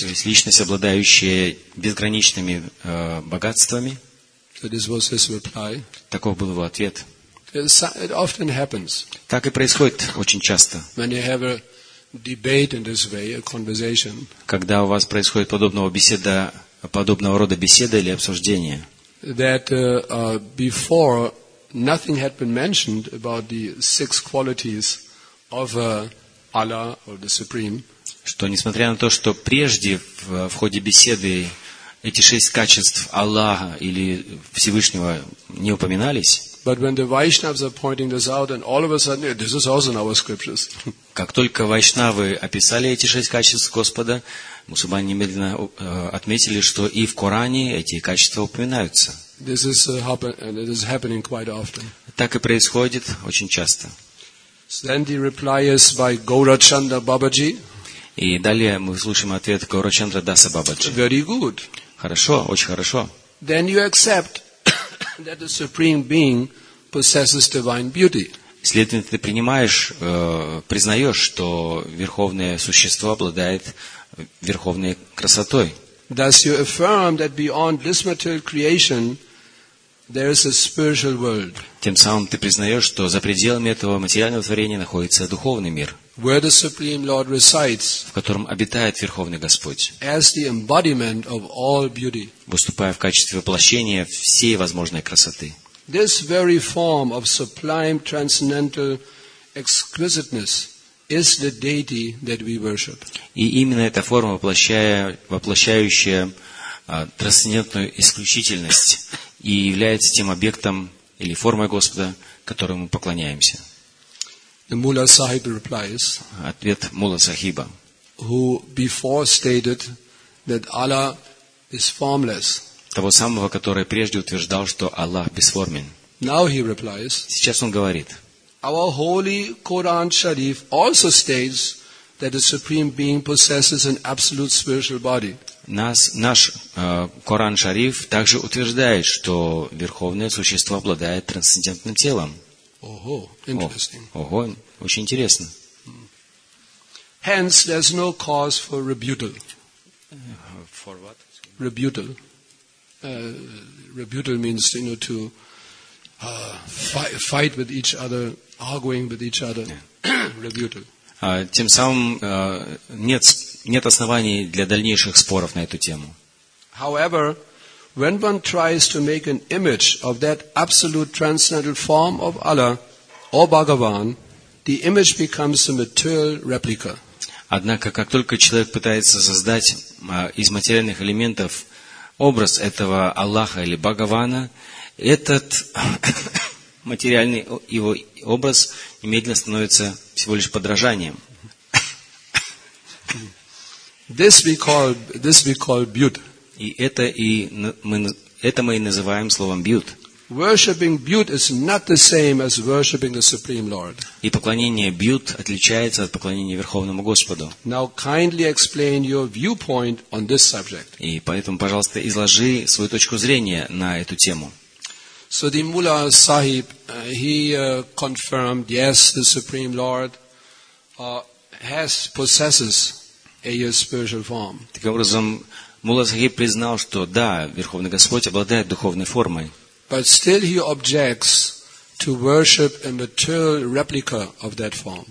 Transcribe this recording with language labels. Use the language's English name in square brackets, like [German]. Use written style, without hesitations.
[Russian] То есть личность, обладающая безграничными богатствами. [English] So this was his reply. [Russian] Таков был его ответ. [English] It often happens. [Russian] Так и происходит очень часто. [English] When you have a debate in this way, a conversation. [Russian] Когда у вас происходит подобного рода беседа или обсуждение. [English] That before nothing had been mentioned about the six qualities of Allah or the Supreme. [Russian] Что несмотря на то, что прежде в ходе беседы эти шесть качеств Аллаха или Всевышнего не упоминались. Как только вайшнавы описали эти шесть качеств Господа, мусульмане немедленно отметили, что и в Коране эти качества упоминаются. [English] This is happening, and it is happening quite often. [Russian] Так и происходит очень часто. [English] Then the reply is by Gaurachandra Babaji. [Russian] И далее мы слушаем ответ Гаурачандра Даса Бабаджи. [English] Very good. [Russian] Хорошо, очень хорошо. [English] Then you accept that the supreme being possesses divine beauty. [Russian] Следовательно, ты принимаешь, признаешь, что верховное существо обладает верховной красотой. [English] Thus you affirm that beyond this material creation there is a spiritual world. [Russian] Тем самым ты признаешь, что за пределами этого материального творения находится духовный мир. [English] Where the Supreme Lord resides, [Russian] в котором обитает Верховный Господь, [English] as the embodiment of all beauty, [Russian] выступая в качестве воплощения всей возможной красоты. [English] This very form of sublime transcendental exquisiteness is the deity that we worship. [Russian] И именно эта форма, воплощающая трансцендентную исключительность, и является тем объектом или формой Господа, которому мы поклоняемся. [English] The Mulla Sahib replies. [Russian] Ответ Мулла Сахиба. [English] Who before stated that Allah is formless. [Russian] Того самого, который прежде утверждал, что Аллах бесформен. [English] Now he replies. [Russian] Сейчас он говорит. [English] Our holy Quran Sharif also states that the Supreme Being possesses an absolute spiritual body. [Russian] Наш Коран Шариф также утверждает, что верховное существо обладает трансцендентным телом. Ого, очень интересно. [English] Hence, there's no cause for rebuttal. For what? Rebuttal. Rebuttal means, you know, to fight with each other, arguing with each other. Yeah. Rebuttal. [Russian] Тем самым нет оснований для дальнейших споров на эту тему. [English] However, when one tries to make an image of that absolute transcendental form of Allah, [Russian] о Бхагаван, [English] the image becomes a material replica. [Russian] Однако, как только человек пытается создать из материальных элементов образ этого Аллаха или Бхагавана, этот материальный его образ немедленно становится всего лишь подражанием. [English] This we call бьют. [Russian] И это и мы это мы и называем словом бьют. [English] Worshipping бьют is not the same as worshipping the Supreme Lord. [Russian] И поклонение бьют отличается от поклонения Верховному Господу. [English] Now kindly explain your viewpoint on this subject. [Russian] И поэтому, пожалуйста, изложи свою точку зрения на эту тему. [English] So the Mullah Sahib, he confirmed, yes, the Supreme Lord possesses a spiritual form. [Russian] Таким образом, Мулла Сахиб признал, что да, Верховный Господь обладает духовной формой. [English] But still he objects to worship a material replica of that form.